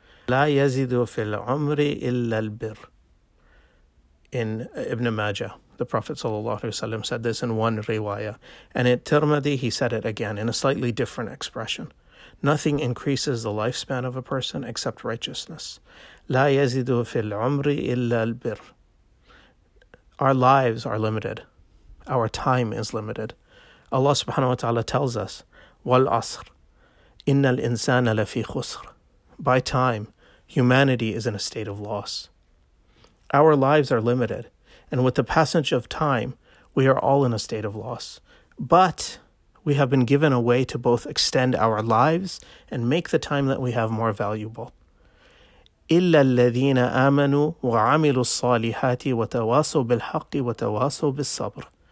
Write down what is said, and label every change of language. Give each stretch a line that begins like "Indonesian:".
Arabic: لا يزيد في العمر إلا البر.
English: In Ibn Majah, the Prophet sallallahu alaihi wasallam said this in one riwayah, and in Tirmidhi he said it again in a slightly different expression. Nothing increases the lifespan of a person except righteousness.
Arabic: لا يزيد في العمر إلا البر.
English: Our lives are limited. Our time is limited. Allah subhanahu wa ta'ala tells us,
Arabic: والعصر إن الإنسان لفي خسر.
English: By time, humanity is in a state of loss. Our lives are limited, and with the passage of time, we are all in a state of loss. But we have been given a way to both extend our lives and make the time that we have more valuable.
Arabic: إِلَّا الَّذِينَ آمَنُوا وَعَمِلُوا الصَّالِحَاتِ وَتَوَاصُوا بِالْحَقِّ وَتَوَاصُوا بِالصَّبْرِ.